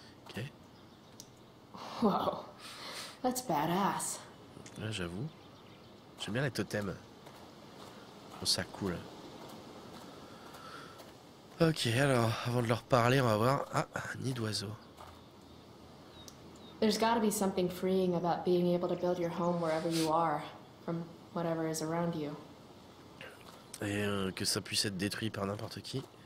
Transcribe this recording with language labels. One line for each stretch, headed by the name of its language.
English: Ok. Wow, that's badass.
French: Là, j'avoue, j'aime bien les totems. Bon, ça coule. Ok, alors, avant de leur parler, on va voir... Ah, un nid d'oiseau.
English: There's gotta be something freeing about being able to build your home wherever you are, from whatever is around you.
French: Et que ça puisse être détruit par n'importe qui.